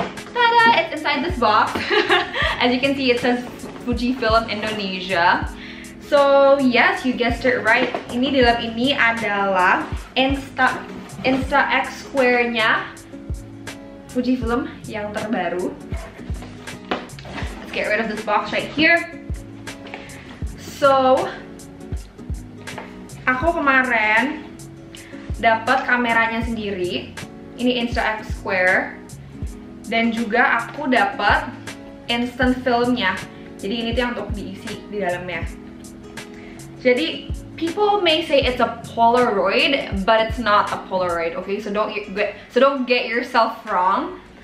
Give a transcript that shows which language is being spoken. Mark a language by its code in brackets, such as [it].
[en] Tada, it's inside this box. As you can see, it says Fujifilm Indonesia. So yes, you guessed it right. [id] Ini di dalam ini adalah Insta X Square-nya Fujifilm yang terbaru. [en] Let's get rid of this box right here. [id] So aku kemarin dapat kameranya sendiri. Ini Insta X Square. Dan juga aku dapat instant filmnya. Jadi ini tuh yang untuk diisi di dalamnya. [en] Jadi people may say it's a Polaroid, but it's not a Polaroid. Okay, so don't get yourself wrong.